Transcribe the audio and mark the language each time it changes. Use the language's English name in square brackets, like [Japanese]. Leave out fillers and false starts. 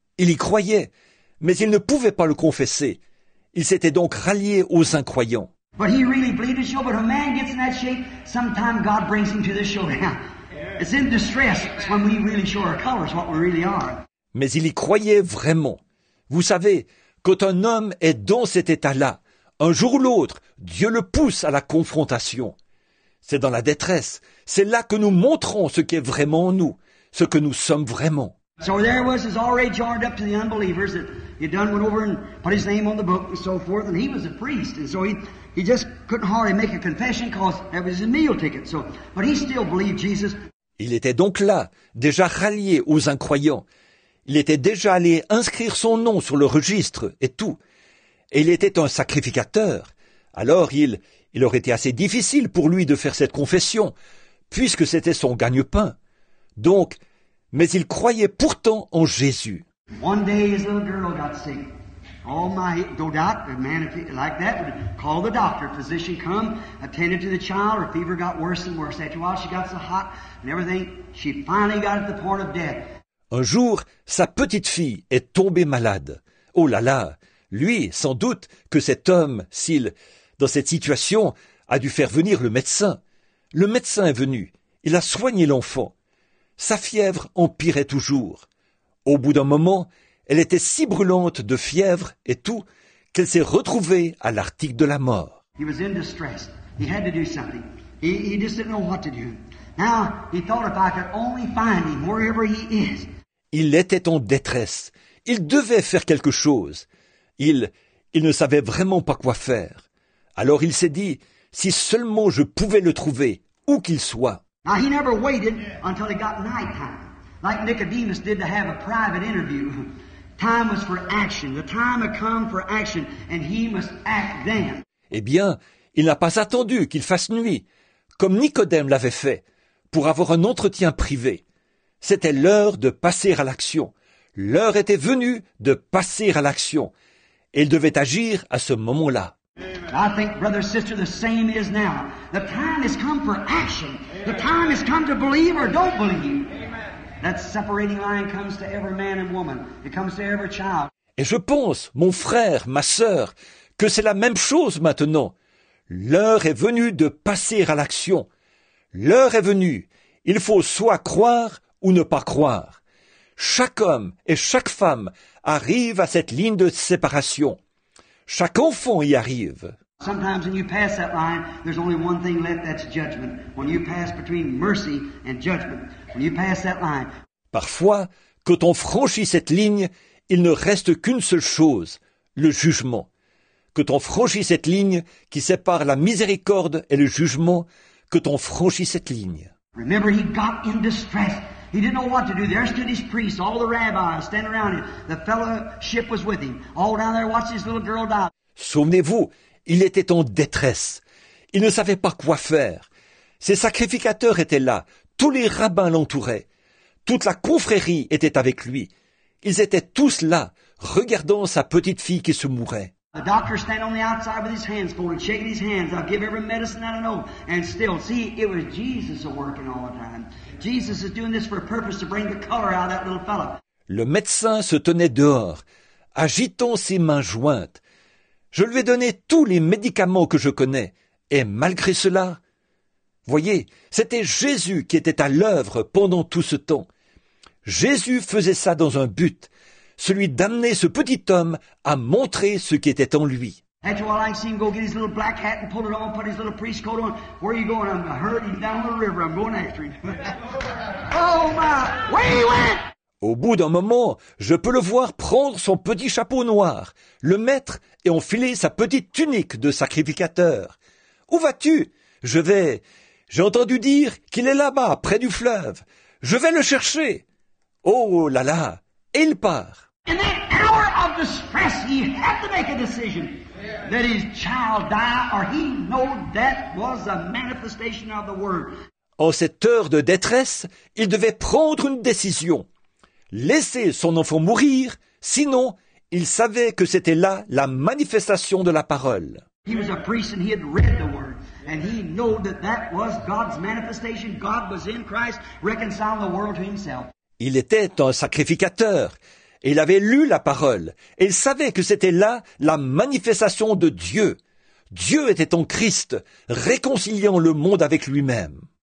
[French] Il y croyait, mais il ne pouvait pas le confesser. Il s'était donc rallié aux incroyants. [English] But he really believed it, but a man gets in that shape, sometimes God brings him to this show. It's in distress. It's when we really show our colors, what we really are. [French] Mais il y croyait vraiment. Vous savez, quand un homme est dans cet état-là, un jour ou l'autre, Dieu le pousse à la confrontation. C'est dans la détresse. C'est là que nous montrons ce qui est vraiment en nous, ce que nous sommes vraiment. [English] So there was, he's already joined up to the unbelievers that he'd done went over and put his name on the book and so forth, and he was a priest, and so he just couldn't hardly make a confession because that was his meal ticket. So, but he still believed Jesus. [French] Il était donc là, déjà rallié aux incroyants. Il était déjà allé inscrire son nom sur le registre et tout. Et il était un sacrificateur. Alors il aurait été assez difficile pour lui de faire cette confession, puisque c'était son gagne-pain. Donc, mais il croyait pourtant en Jésus. [English] One day his little girl got sick. Oh my, no doubt, a man like that would call the doctor. Physician come, attended to the child, her fever got worse and worse. After a while she got so hot and everything, she finally got at the point of death. [French] Un jour, sa petite fille est tombée malade. Oh là là, lui, sans doute, que cet homme, s'il, dans cette situation, a dû faire venir le médecin. Le médecin est venu, il a soigné l'enfant. Sa fièvre empirait toujours. Au bout d'un moment, elle était si brûlante de fièvre et tout, qu'elle s'est retrouvée à l'article de la mort. [English] He was in distress. He had to do something. He just didn't know what to do. Now, he thought if I could only find him wherever he is. [French] Il était en détresse. Il devait faire quelque chose. Il ne savait vraiment pas quoi faire. Alors il s'est dit, si seulement je pouvais le trouver, où qu'il soit. [English] Now, he never waited until it got night time, like Nicodemus did to have a private interview. Time was for action. The time had come for action, and he must act then. [French] Eh bien, il n'a pas attendu qu'il fasse nuit, comme Nicodème l'avait fait, pour avoir un entretien privé. C'était l'heure de passer à l'action. L'heure était venue de passer à l'action. Et il devait agir à ce moment-là. [English] I think, brother, sister, the same is now. The time has come for action. The time has come to believe or don't believe. That separating line comes to every man and woman. It comes to every child. [French] Et je pense, mon frère, ma sœur, que c'est la même chose maintenant. L'heure est venue de passer à l'action. L'heure est venue. Il faut soit croire ou ne pas croire. Chaque homme et chaque femme arrive à cette ligne de séparation. Chaque enfant y arrive. [English] Sometimes when you pass that line, there's only one thing left, that's judgment. When you pass between mercy and judgment, when you pass that line. [French] Parfois, quand on franchit cette ligne, il ne reste qu'une seule chose, le jugement. Quand on franchit cette ligne qui sépare la miséricorde et le jugement, quand on franchit cette ligne. [English] Remember, he got in distress. He didn't know what to do. There stood his priests, all the rabbis standing around him. The fellowship was with him. All down there watched his little girl die. [French] Souvenez-vous, il était en détresse. Il ne savait pas quoi faire. Ses sacrificateurs étaient là. Tous les rabbins l'entouraient. Toute la confrérie était avec lui. Ils étaient tous là, regardant sa petite fille qui se mourait. [English] The doctor standing on the outside with his hands folded, shaking his hands. I'll give every medicine that I know. And still, see, it was Jesus working all the time. Jesus is doing this for a purpose to bring the color out of that little fellow. [French] Le médecin se tenait dehors, agitant ses mains jointes. Je lui ai donné tous les médicaments que je connais. Et malgré cela, voyez, c'était Jésus qui était à l'œuvre pendant tout ce temps. Jésus faisait ça dans un but, celui d'amener ce petit homme à montrer ce qui était en lui. [English] After all, I see him go get his little black hat and pull it on, put his little priest coat on. Where are you going? I'm hurt. He's down the river. I'm going after him. Oh my! Where he went? [French] Au bout d'un moment, je peux le voir prendre son petit chapeau noir, le mettre et enfiler sa petite tunique de sacrificateur. « Où vas-tu ? » « Je vais... » « J'ai entendu dire qu'il est là-bas, près du fleuve. Je vais le chercher. » « Oh là là !» Et il part. [English] In the hour of distress, he had to make a decision. Let his child die, or he knew that was a manifestation of the word. [French] En cette heure de détresse, il devait prendre une décision. Laisser son enfant mourir, sinon il savait que c'était là la manifestation de la parole. [English] He was a priest and he had read the word. And he knew that that was God's manifestation. God was in Christ, reconciling the world to himself. [French] Il était un sacrificateur. Il avait lu la parole. Et il savait que c'était là la manifestation de Dieu. Dieu était en Christ, réconciliant le monde avec lui-même.